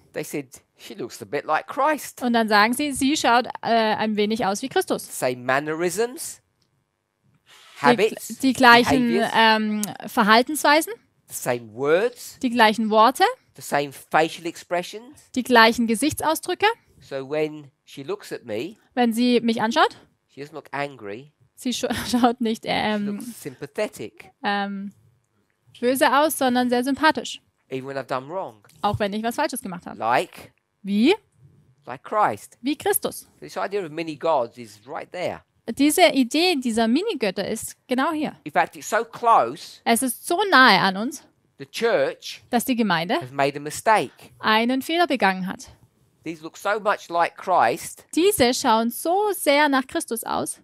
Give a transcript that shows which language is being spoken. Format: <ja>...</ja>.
<en>They said, she looks a bit like Christ.</en> <de>Und dann sagen sie, sie schaut ein wenig aus wie Christus.</de> <en>Same mannerisms.</en> <de>Die gleichen Verhaltensweisen,</de> <en>the same words,</en> <de>die gleichen Worte,</de> <en>the same facial expressions,</en> <de>die gleichen Gesichtsausdrücke.</de> <en>So when she looks at me,</en> <de>wenn sie mich anschaut,</de> <en>she doesn't look angry,</en> <de>sie schaut nicht böse aus, sondern sehr sympathisch.</de> <en>Even when I've done wrong.</en> <de>Auch wenn ich was Falsches gemacht habe.</de> <en>Like,</en> <de>wie?</de> <en>Like Christ.</en> <de>Wie Christus.</de> <en>This idea of many gods is right there.</en> <de>Diese Idee dieser Mini-Götter ist genau hier.</de> <en>In fact, it's so close,</en> <de>es ist so nahe an uns,</de> <en>the church,</en> <de>dass die Gemeinde</de> <en>have made a mistake.</en> <de>Einen Fehler begangen hat.</de> <en>These look so much like Christ,</en> <de>diese schauen so sehr nach Christus aus.</de>